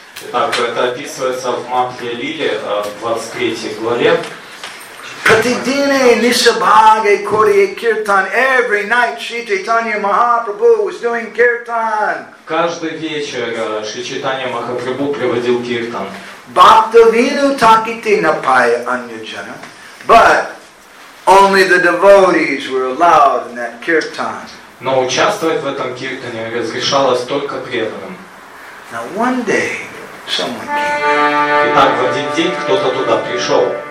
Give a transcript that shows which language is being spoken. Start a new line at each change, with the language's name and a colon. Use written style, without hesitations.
Russian: Так, это описывается в Матхе Лиле, 23 главе.
Bangla: Pratidine nisabhage koriye kirtan.
English: Every night Sri Chaitanya Mahaprabhu was doing kirtan.
Russian: Каждый вечер Шри Чайтанья Махапрабху приводил киртан.
Bangla: Bhaktavinu takite napaya anyajana.
English: But only the devotees were allowed in that kirtan.
Russian: Но участвовать в этом киртане разрешалось только преданным.
English: Now one day someone came.
Russian: Итак, в один день кто-то туда пришел.